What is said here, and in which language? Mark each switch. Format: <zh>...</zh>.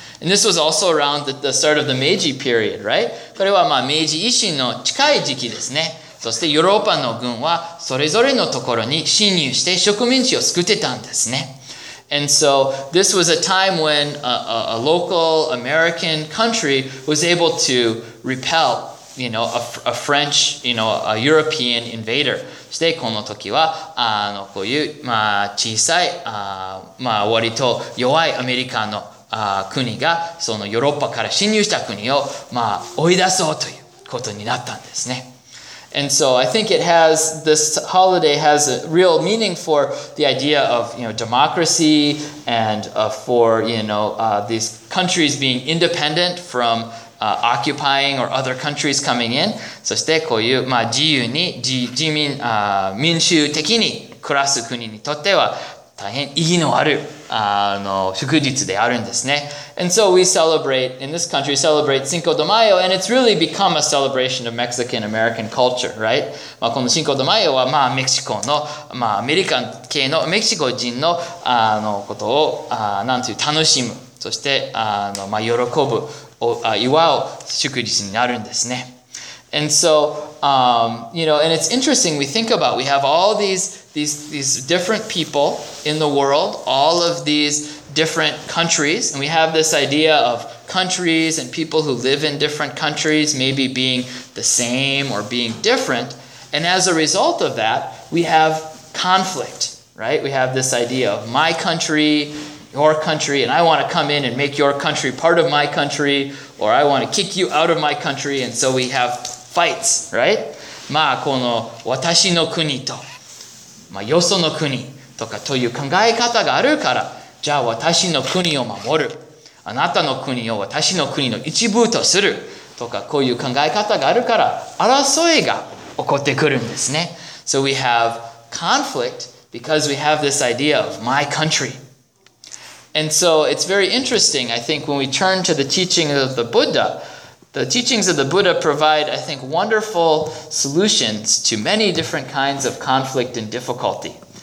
<en>And this was also around the start of the Meiji period, right?</en> <ja>これはまあ明治維新の近い時期ですね。そしてヨーロッパの軍はそれぞれのところに侵入して植民地を作ってたんですね。</ja> <en>And so this was a time when a local American country was able to repel, you know, a French, you know, a European invader.</en> <ja>そしてこの時は、あの、こういう、まあ、小さい、あ、まあ、割と弱いアメリカの、あ、国が、そのヨーロッパから侵入した国を、まあ、追い出そうということになったんですね。</ja> <en>And so I think it has, this holiday has a real meaning for the idea of, you know, democracy and for, you know, these countries being independent from occupying or other countries coming in.</en> <ja>そしてこういう、まあ、自由に、自民、民主的に暮らす国にとっては大変意義のある、あの、祝日であるんですね。</ja> <en>And so we celebrate, in this country, celebrate Cinco de Mayo, and it's really become a celebration of Mexican-American culture, right?</en> <ja>まあ、この Cinco de Mayo は、まあ、メキシコの、まあ、アメリカン系の、メキシコ人の、あの、ことを、あ、なんていう、楽しむ、そして、あの、まあ、喜ぶ、祝う祝日になるんですね。</ja> <en>And so, you know, and it's interesting, we think about, we have all these different people in the world, all of these different countries, and we have this idea of countries and people who live in different countries maybe being the same or being different, and as a result of that, we have conflict, right? We have this idea of my country, your country, and I want to come in and make your country part of my country, or I want to kick you out of my country, and so we have fights, right?</en> <ja>まあ、この私の国と、まあ、よその国、とかという考え方があるから、じゃあ私の国を守る、あなたの国を私の国の一部とするとか、こういう考え方があるから争いが起こってくるんですね。</ja> <en>So we have conflict because we have this idea of my country. And so it's very interesting, I think, when we turn to the teachings of the Buddha. The teachings of the Buddha provide, I think, wonderful solutions to many different kinds of conflict and difficulty.</en>